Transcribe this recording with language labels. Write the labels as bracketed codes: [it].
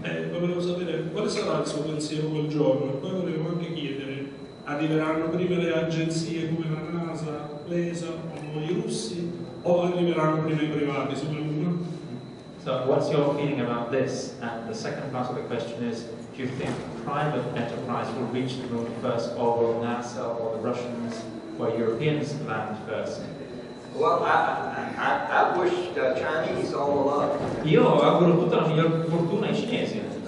[it] Volevo sapere quale sarà il suo pensiero quel giorno, e poi volevo anche chiedere, arriveranno prima le agenzie come la NASA, l'ESA, o i russi, o arriveranno prima i privati sulla Luna? [en] So what's your feeling about this? And the second part of the question is, do you think private enterprise will reach the moon first, or will NASA or the Russians? Where Europeans land first. Well, I wish the Chinese all the luck. [it] Io auguro tutta la miglior fortuna ai cinesi.